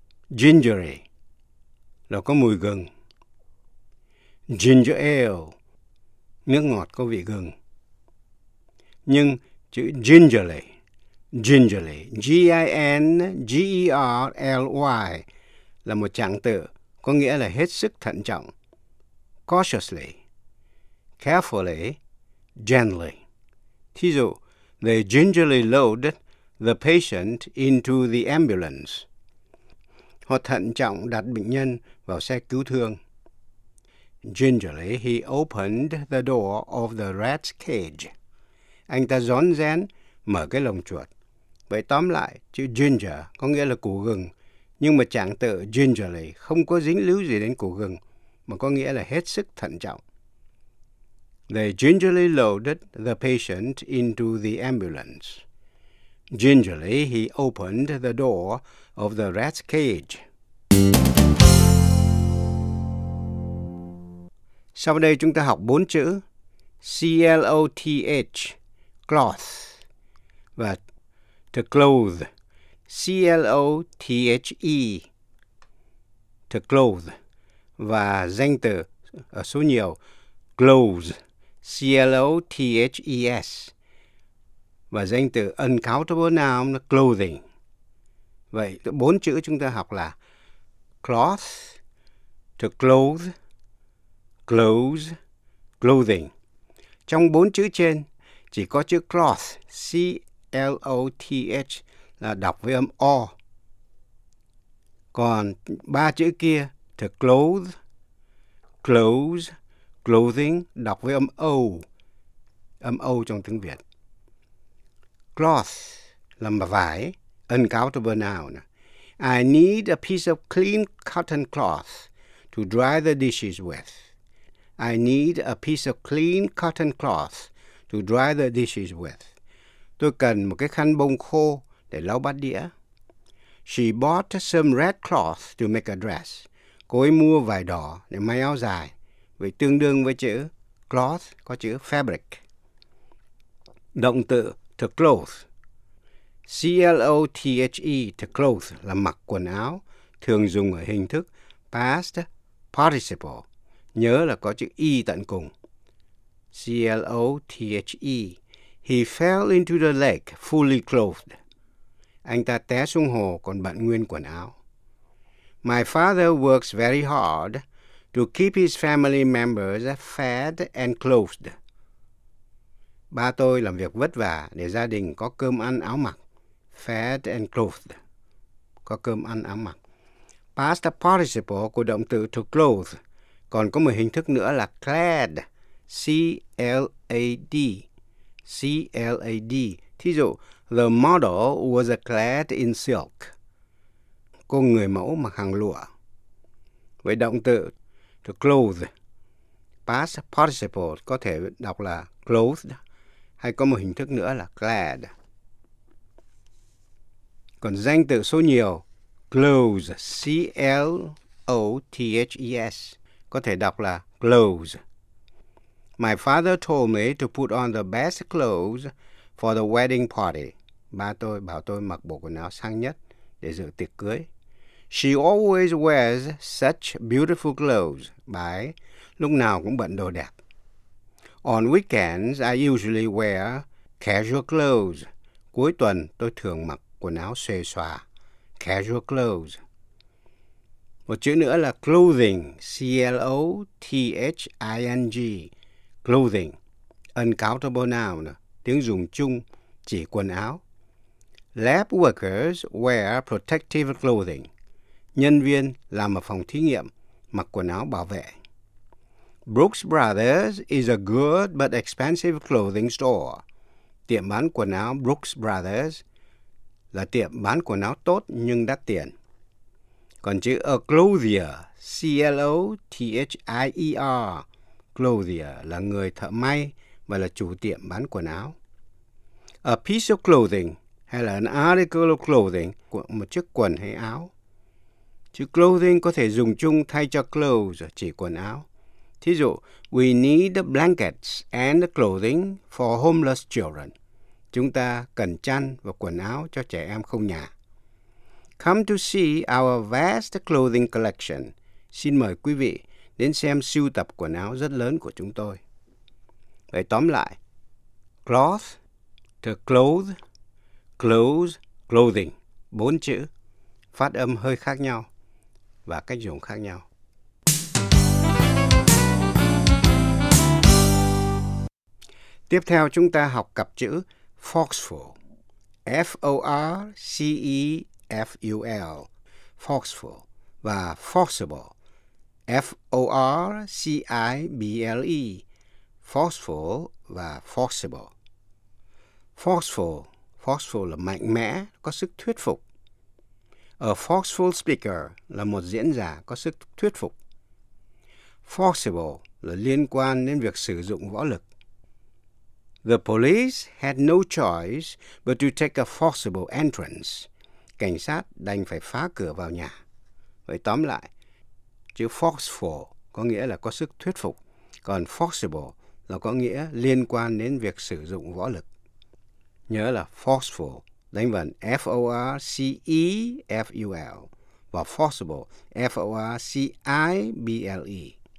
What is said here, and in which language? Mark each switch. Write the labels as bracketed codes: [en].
[vi] Gingery, là có mùi gừng. Ginger ale, nước ngọt có vị gừng. Nhưng chữ gingerly, gingerly, G-I-N-G-E-R-L-Y, là một trạng từ có nghĩa là hết sức thận trọng. [en] Cautiously, carefully, gently. Thí dụ, they gingerly loaded the patient into the ambulance. [vi] Họ thận trọng đặt bệnh nhân vào xe cứu thương. [en] Gingerly, he opened the door of the rat's cage. [vi] Anh ta rón rén mở cái lồng chuột. Vậy tóm lại, chữ ginger có nghĩa là củ gừng, nhưng mà trạng từ gingerly không có dính líu gì đến củ gừng, mà có nghĩa là hết sức thận trọng. [en] They gingerly loaded the patient into the ambulance. Gingerly, he opened the door of the rat's cage. [vi] Sau đây chúng ta học bốn chữ C-L-O-T-H, cloth, và to clothe, C-L-O-T-H-E, to clothe, và danh từ ở số nhiều, clothes, C-L-O-T-H-E-S, và danh từ uncountable noun, clothing. Vậy, bốn chữ chúng ta học là cloth, to clothe, clothes, clothing. Trong bốn chữ trên, chỉ có chữ cloth, C-L-O-T-H, là đọc với âm O. Còn ba chữ kia, to clothe, clothes, clothing, đọc với âm O trong tiếng Việt. Cloth là mà vải, uncountable noun. [en] I need a piece of clean cotton cloth to dry the dishes with. I need a piece of clean cotton cloth to dry the dishes with. [vi] Tôi cần một cái khăn bông khô để lau bát đĩa. [en] She bought some red cloth to make a dress. [vi] Cô ấy mua vải đỏ để may áo dài. Vậy tương đương với chữ cloth có chữ fabric. Động từ to clothe. C-L-O-T-H-E, to clothe, là mặc quần áo, thường dùng ở hình thức past participle. Nhớ là có chữ E tận cùng. C-L-O-T-H-E. [en] He fell into the lake fully clothed. [vi] Anh ta té xuống hồ còn bận nguyên quần áo. [en] My father works very hard to keep his family members fed and clothed. [vi] Ba tôi làm việc vất vả để gia đình có cơm ăn áo mặc. [en] Fed and clothed. [vi] Có cơm ăn áo mặc. Past participle của động từ to clothe. Còn có một hình thức nữa là clad. [en] C-L-A-D. C-L-A-D. Thí dụ, the model was clad in silk. [vi] Cô người mẫu mặc hàng lụa. Với động từ to clothe. Past participle có thể đọc là clothed. Hay có một hình thức nữa là clad. Còn danh từ số nhiều, clothes, C-L-O-T-H-E-S, có thể đọc là clothes. [en] My father told me to put on the best clothes for the wedding party. [vi] Ba tôi bảo tôi mặc bộ quần áo sang nhất để dự tiệc cưới. [en] She always wears such beautiful clothes. [vi] Bà ấy lúc nào cũng bận đồ đẹp. [en] On weekends, I usually wear casual clothes. [vi] Cuối tuần, tôi thường mặc quần áo xuề xòa. [en] Casual clothes. [vi] Một chữ nữa là clothing. [en] C-L-O-T-H-I-N-G. Clothing. Uncountable noun. [vi] Tiếng dùng chung, chỉ quần áo. [en] Lab workers wear protective clothing. [vi] Nhân viên làm ở phòng thí nghiệm, mặc quần áo bảo vệ. [en] Brooks Brothers is a good but expensive clothing store. [vi] Tiệm bán quần áo Brooks Brothers là tiệm bán quần áo tốt nhưng đắt tiền. Còn chữ a clothier, C-L-O-T-H-I-E-R, clothier là người thợ may và là chủ tiệm bán quần áo. [en] A piece of clothing [vi] hay là [en] an article of clothing, [vi] một chiếc quần hay áo. Chữ clothing có thể dùng chung thay cho clothes, chỉ quần áo. [en] Thí dụ, we need the blankets and the clothing for homeless children. [vi] Chúng ta cần chăn và quần áo cho trẻ em không nhà. [en] Come to see our vast clothing collection. [vi] Xin mời quý vị đến xem sưu tập quần áo rất lớn của chúng tôi. Vậy tóm lại, cloth, to clothe, clothes, clothing, bốn chữ, phát âm hơi khác nhau và cách dùng khác nhau. Tiếp theo chúng ta học cặp chữ forceful, F-O-R-C-E-F-U-L, forceful, và forcible, F-O-R-C-I-B-L-E, forceful và forcible. Forceful, forceful là mạnh mẽ, có sức thuyết phục. [en] A forceful speaker [vi] là một diễn giả có sức thuyết phục. Forcible là liên quan đến việc sử dụng võ lực. [en] The police had no choice but to take a forcible entrance. [vi] Cảnh sát đành phải phá cửa vào nhà. Vậy tóm lại, chữ forceful có nghĩa là có sức thuyết phục, còn forcible là có nghĩa liên quan đến việc sử dụng võ lực. Nhớ là forceful đánh vần F-O-R-C-E-F-U-L và forcible F-O-R-C-I-B-L-E.